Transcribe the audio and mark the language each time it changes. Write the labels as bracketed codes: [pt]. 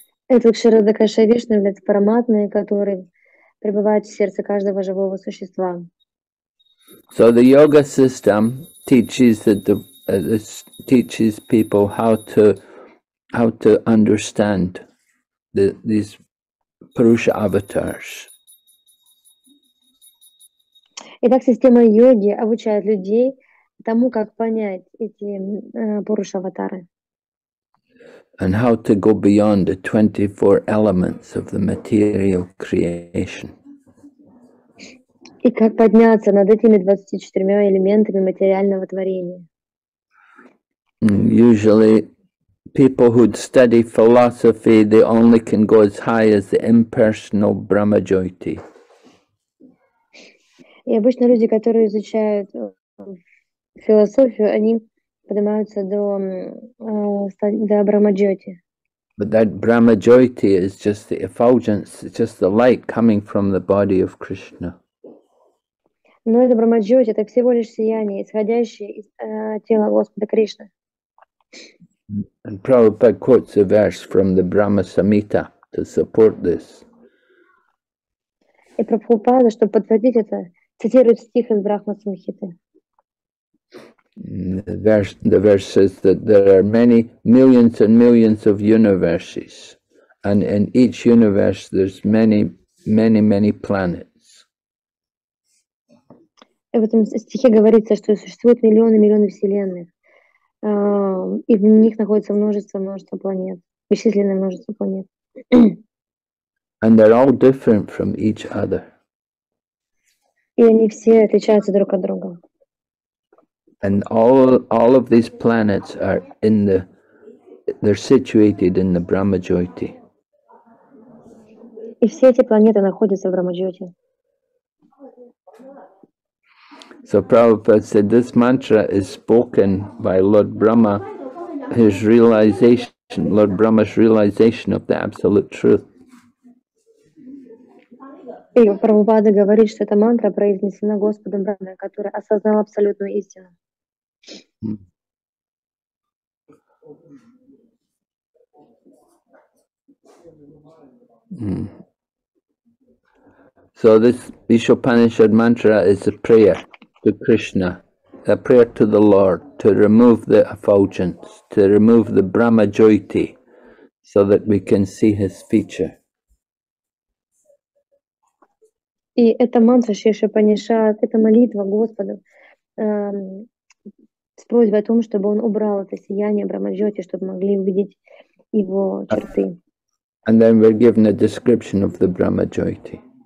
[ru] Этот Shirodakshaya Vishnu является Параматмой, который пребывает в сердце каждого живого существа. [en] So the yoga system teaches people how to understand these Purusha avatars. [ru] Итак, система йоги обучает людей тому, как понять эти пуруша-аватары. [en] And how to go beyond the 24 elements of the material creation. [ru] И как подняться над этими 24 элементами материального творения. [en] Usually, people who study philosophy, they only can go as high as the impersonal Brahma-jyoti. [ru] И обычно люди, которые изучают философию, они поднимаются до Брахма-джьоти. [en] But that Брахма-джьоти is just the effulgence, it's just the light coming from the body of Krishna. [ru] Но это Брахма-джьоти, это всего лишь сияние, исходящее из тела Господа Кришны. [en] And Prabhupada quotes a verse from the Brahma-samhita to support this. [ru] И Прабхупада, чтобы подтвердить это, цитирует стих из Брахма-самхиты. [en] The verse says that there are many millions and millions of universes, and in each universe there's many, many, many planets. [ru] И в этом стихе говорится, что существует миллионы, миллионы вселенных, и в них находится множество, множество планет, бесчисленное множество планет. [en] And they're all different from each other. [ru] И они все отличаются друг от друга. [en] And all of these planets are in the They're situated in the Brahmajyoti. [ru] И все эти планеты находятся в Брахмаджоте. [en] So Prabhupada said this mantra is spoken by Lord Brahma, his realization, Lord Brahma's realization of the absolute truth. [ru] И Прабхупада говорит, что эта мантра произнесена Господом Брахмой, который осознал абсолютную истину. [en] So this Ishopanishad mantra is a prayer to Krishna, a prayer to the Lord to remove the effulgence, to remove the Brahmajyoti, so that we can see His feature. [ru] И эта мантра Ишопанишад, это молитва Господу с просьбой о том, чтобы Он убрал это сияние Брахмаджоти, чтобы могли увидеть Его черты. [en] And then we're given a description of the Brahmajyoti.